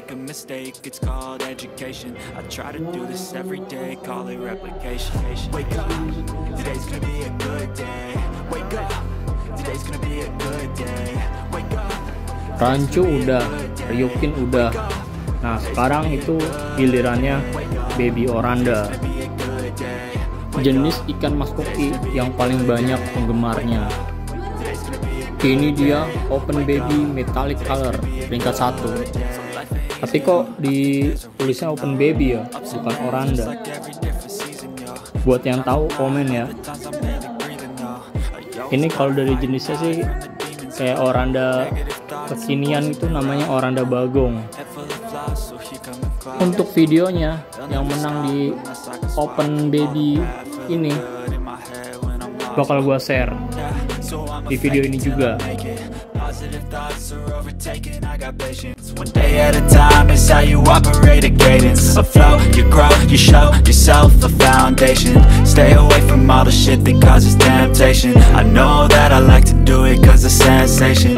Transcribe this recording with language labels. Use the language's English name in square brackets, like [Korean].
[English] Mistake, it's called education. I try to do this every day, call it replication. Wake up, today's gonna be a good day. Wake up, today's gonna be a good day. Wake up. [Indonesian] Rancu udah, Ryukin udah. Nah, sekarang itu gilirannya Baby Oranda. Jenis ikan maskoki yang paling banyak penggemarnya. Kini dia Open Baby Metallic Color peringkat 1. Tapi kok di tulisnya Open Baby ya, bukan Oranda. Buat yang tahu komen ya. Ini kalau dari jenisnya sih kayak Oranda kekinian, itu namanya Oranda Bagong. Untuk videonya yang menang di Open Baby ini bakal gua share di video ini juga. [English] One day at a time is how you operate a cadence. A flow, you grow, you show yourself a foundation. Stay away from all the shit that causes temptation. I know that I like to do it cause it's sensation.